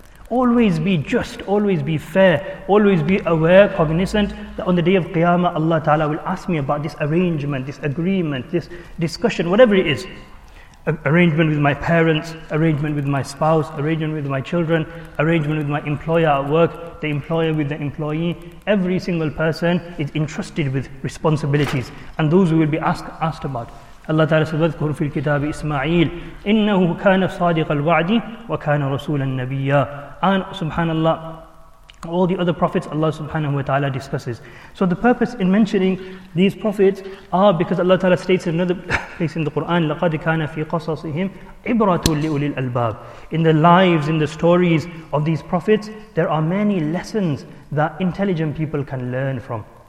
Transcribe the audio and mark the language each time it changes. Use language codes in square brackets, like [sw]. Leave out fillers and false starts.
[en] Always be just, always be fair, always be aware, cognizant, that on the day of Qiyamah, Allah Ta'ala will ask me about this arrangement, this agreement, this discussion, whatever it is. Arrangement with my parents, arrangement with my spouse, arrangement with my children, arrangement with my employer at work, the employer with the employee. Every single person is entrusted with responsibilities, and those we will be asked about. Allah Ta'ala says, [ar] وَذْكُرْ فِي الْكِتَابِ إِسْمَعِيلِ إِنَّهُ كَانَ صَادِقَ الْوَعْدِ وَكَانَ رَسُولًا نَبِيًّا. [en] And subhanAllah, all the other prophets Allah subhanahu wa ta'ala discusses. So the purpose in mentioning these prophets are because Allah Ta'ala states in another place in the Quran, [ar] لَقَدْ كَانَ فِي قَصَصِهِمْ عِبْرَةٌ لِأُولِي الْأَلْبَابِ. [en] In the lives, in the stories of these prophets, there are many lessons that intelligent people can learn from.